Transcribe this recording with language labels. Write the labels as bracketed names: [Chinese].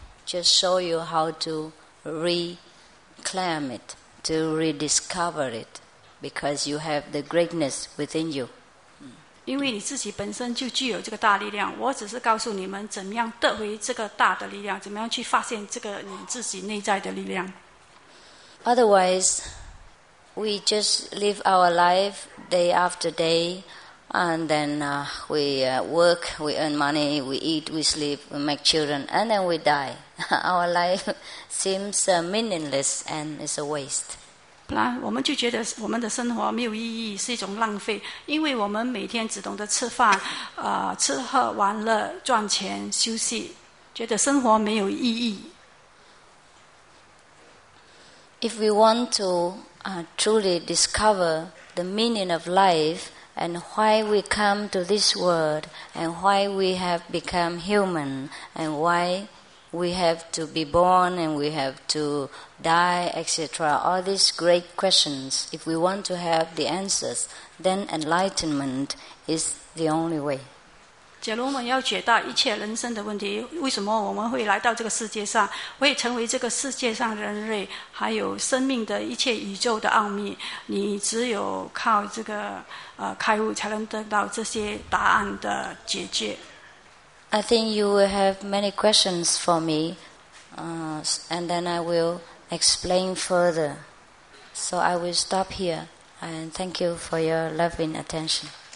[English] Just show you how to reclaim it, to rediscover it, because you have the greatness within you. [Chinese] 因为你自己本身就具有这个大力量，我只是告诉你们怎么样得回这个大的力量，怎么样去发现这个你自己内在的力量。 [English] Otherwise, we just live our life day after day, and then we work, we earn money, we eat, we sleep, we make children, and then we die. Our life seems meaningless and is a waste. [Chinese] 不然我们就觉得我们的生活没有意义，是一种浪费，因为我们每天只懂得吃饭、吃喝玩乐、赚钱、休息，觉得生活没有意义。 [English] If we want to truly discover the meaning of life and why we come to this world and why we have become human and whywe have to be born and we have to die, etc. All these great questions, if we want to have the answers, then enlightenment is the only way. [Chinese] 假如我们要解答一切人生的问题，为什么我们会来到这个世界上，会成为这个世界上人类，还有生命的一切宇宙的奥秘，你只有靠这个开悟才能得到这些答案的解决。 [English] I think you will have many questions for me, and then I will explain further. So I will stop here, and thank you for your loving attention.